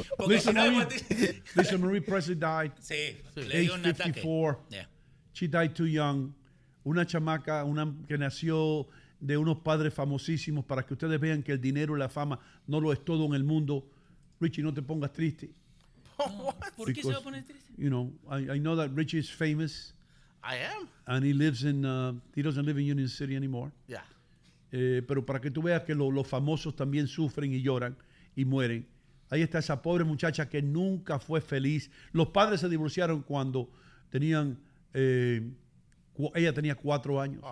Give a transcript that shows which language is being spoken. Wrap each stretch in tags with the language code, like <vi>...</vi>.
<en>Lisa Marie Presley died.</en> <es>Sí, age le dio un 54. Ataque.</es> <en>Yeah. She died too young.</en> <es>Una chamaca, una que nació de unos padres famosísimos, para que ustedes vean que el dinero y la fama no lo es todo en el mundo. Richie, no te pongas triste. ¿Por qué se va a poner triste?</es> <en>You know, I know that Richie is famous. I am. And he lives in, he doesn't live in Union City anymore. Yeah.</en> <es>Pero para que tú veas que los famosos también sufren y lloran y mueren. Ahí está esa pobre muchacha que nunca fue feliz. Los padres se divorciaron cuando tenían, ella tenía 4 años.</es>